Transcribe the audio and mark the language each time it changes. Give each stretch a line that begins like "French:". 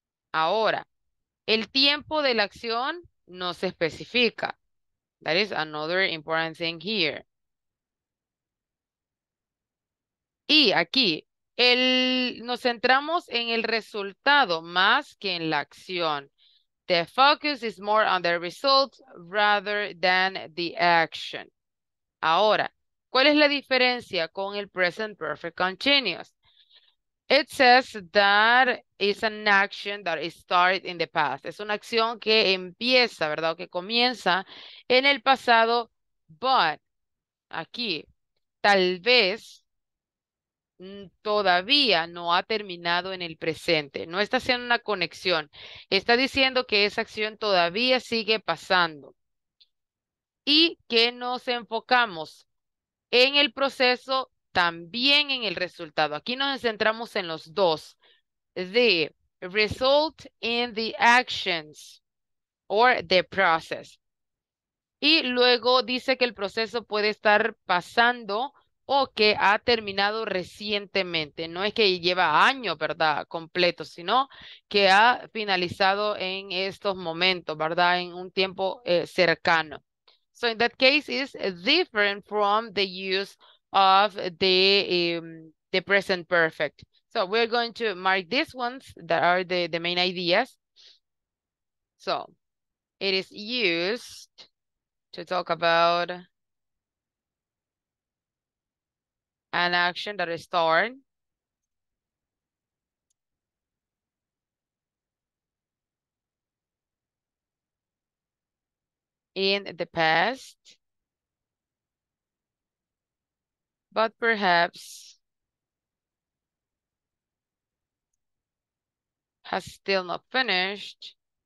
Spanish: Ahora, el tiempo de la acción no se especifica.
English: That is another important thing here.
Spanish: Y aquí, nos centramos en el resultado más que en la acción.
English: The focus is more on the result rather than the action.
Spanish: Ahora, ¿cuál es la diferencia con el present perfect continuous?
English: It says that is an action that is started in the past.
Spanish: Es una acción que empieza, ¿verdad? O que comienza en el pasado,
English: but
Spanish: aquí, tal vez todavía no ha terminado en el presente. No está haciendo una conexión. Está diciendo que esa acción todavía sigue pasando. Y que nos enfocamos en el proceso, también en el resultado. Aquí nos centramos en los dos.
English: The result in the actions or the process.
Spanish: Y luego dice que el proceso puede estar pasando o que ha terminado recientemente. No es que lleva año, ¿verdad? Completo, sino que ha finalizado en estos momentos, ¿verdad? En un tiempo cercano.
English: So in that case, it's different from the use of the present perfect. So we're going to mark these ones that are the main ideas. So it is used to talk about an action that is started in the past, but perhaps has still not finished